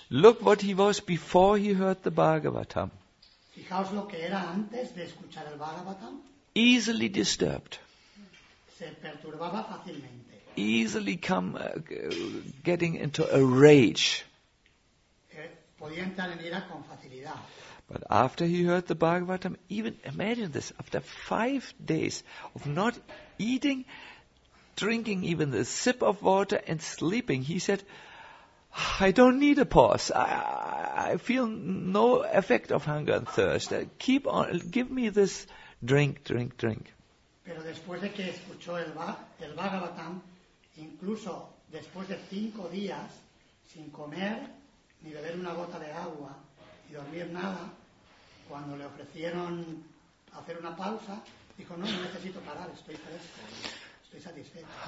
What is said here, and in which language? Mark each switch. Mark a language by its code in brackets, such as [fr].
[en] Look what he was before he heard the Bhagavatam. [es] Fijaos lo que era antes de escuchar el Bhagavatam. [en] Easily disturbed. [es] Se perturbaba fácilmente. [en] Easily getting into a rage. [es] Podía entrar en ira con facilidad. [en] But after he heard the Bhagavatam, even imagine this, after 5 days of not eating, drinking even a sip of water and sleeping, he said, I don't need a pause. I feel no effect of hunger and thirst. Keep on, give me this drink. [es] Pero después de que escuchó el Bhagavatam, incluso después de 5 días, sin comer ni beber una gota de agua y dormir nada, cuando le ofrecieron hacer una pausa, dijo, no, no necesito parar, estoy fresco, estoy satisfecho.